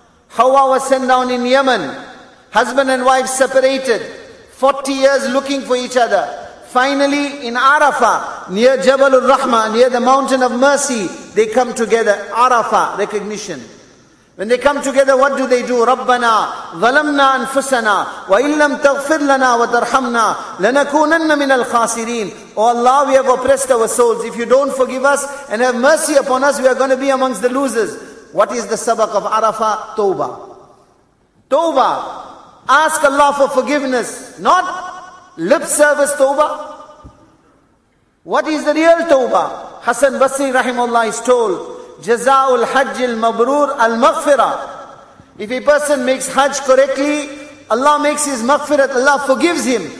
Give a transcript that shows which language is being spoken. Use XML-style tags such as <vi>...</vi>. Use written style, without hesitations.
<en>Hawa was sent down in Yemen. Husband and wife separated, 40 years looking for each other. Finally in Arafah, near Jabalur Rahmah, near the mountain of mercy, they come together. Arafah, recognition. When they come together, what do they do?</en> <ar>رَبَّنَا ظَلَمْنَا أَنفُسَنَا وَإِن لَمْ تَغْفِرْ لَنَا وَتَرْحَمْنَا لَنَكُونَنَّ مِنَ الْخَاسِرِينَ,</ar> <en>oh Allah, we have oppressed our souls. If you don't forgive us and have mercy upon us, we are going to be amongst the losers. What is the sabak of Arafah? Tawbah. Tawbah. Ask Allah for forgiveness. Not lip service tawbah. What is the real tawbah? Hassan Basri rahimahullah is told,</en> <ar>جَزَاءُ الْحَجِّ الْمَبْرُورِ الْمَغْفِرَةِ,</ar> <en>if a person makes hajj correctly, Allah makes his maghfirat, Allah forgives him.</en>